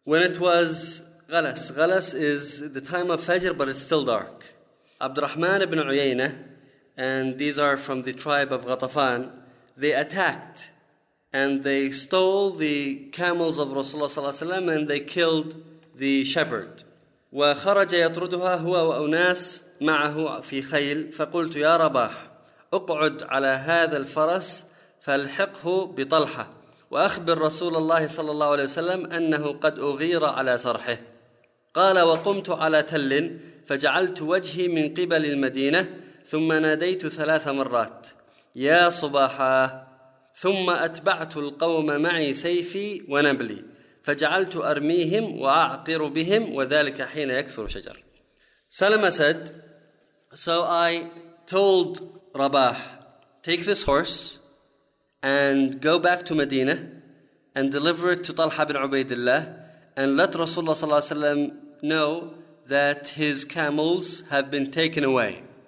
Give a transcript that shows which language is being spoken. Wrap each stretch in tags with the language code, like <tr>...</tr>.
<en>When it was غَلَس, غَلَس is the time of Fajr, but it's still dark. عبد الرحمن بن عيينة, and these are from the tribe of Ghatafan, they attacked and they stole the camels of Rasulullah ﷺ and they killed the shepherd.</en> <ar>وَخَرَجَ يَطْرُدُهَا هُوَ وَأُنَاسْ مَعَهُ فِي خَيْلٍ فَقُلْتُ يَا رَبَاحُ اُقْعُدْ عَلَى هَذَا الْفَرَسِ فَالْحِقْهُ بِطَلْحَةِ وَأَخْبِرْ رَسُولَ اللَّهِ صَلَى اللَّهُ عَلَيْهِ وَسَلَّمَ أَنَّهُ قَدْ أُغِيرَ عَلَى صَرْحِهِ قَالَ وَقُمْتُ عَلَى تَلٍّ فَجَعَلْتُ وَجْهِي مِنْ قِبَلِ الْمَدِينَةِ ثُمَّ نَادَيْتُ 3 مَرَّاتٍ يَا صُبَاحَا ثم أتبعت القوم معي سيفي ونبلي فجعلت أرميهم وأعقر بهم وذلك حين يكثر شجر.</ar> <en>Salama said, so I told Rabah, take this horse and go back to Medina and deliver it to Talha bin Ubaidillah and let Rasulullah</en> <ar>صلى الله عليه وسلم</ar> <en>know that his camels have been taken away.</en>